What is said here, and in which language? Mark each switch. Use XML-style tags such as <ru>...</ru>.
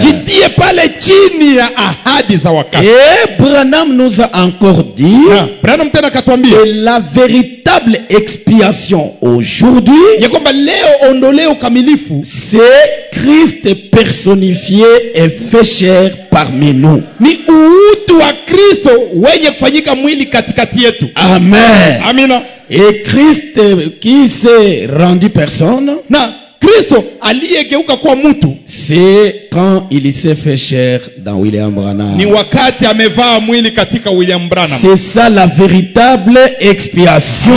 <sw>Jitie pale chini ya ahadi za wakati.</sw> <fr>Et Branham nous a encore dit,</fr> <sw>Branham tena katuambia,</sw> <fr>la véritable expiation aujourd'hui,</fr> <sw>ya kwamba leo ondoleo kamilifu,</sw> <fr>c'est Christ personnifié et fait chair parmi nous.</fr> <sw>Ni utu wa Kristo wenye kufanyika mwili katikati yetu.</sw> <fr>Amen.</fr> <sw>Amina.</sw> <fr>Et Christ qui s'est rendu personne?</fr> <sw>Na Kristo aliyegeuka kuwa mtu.</sw> <fr>C'est quand il s'est fait chair dans William Branham.</fr> <sw>Ni wakati amevaa mwili katika William Branham.</sw> <fr>C'est ça la véritable expiation.</fr>